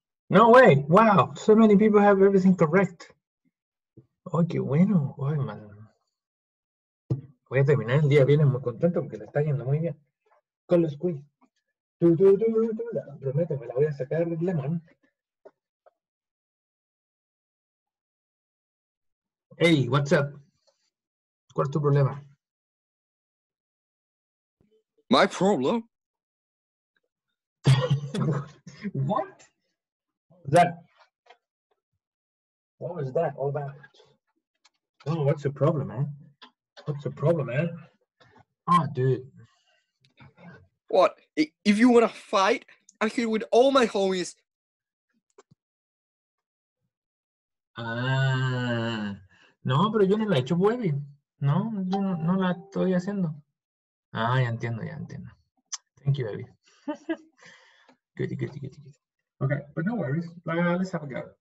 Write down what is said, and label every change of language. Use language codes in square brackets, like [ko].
[en] No way, wow, so many people have everything correct. [es] Oh, qué bueno, ay, man. Voy a terminar el día bien, muy contento porque le está yendo muy bien. Con los quiz. Prometo, me la voy a sacar de la mano. [en] Hey, what's up? [es] ¿Cuál es tu problema? [en] My problem? What? What was that all about? Oh, what's the problem, man? Oh, dude. What? If you want to fight, I'm here with all my homies. [es] No, pero yo no la he hecho web. No, yo no la estoy haciendo. Ah, ya entiendo. [en] Thank you, baby. Goody. Okay, but no worries. Let's have a go.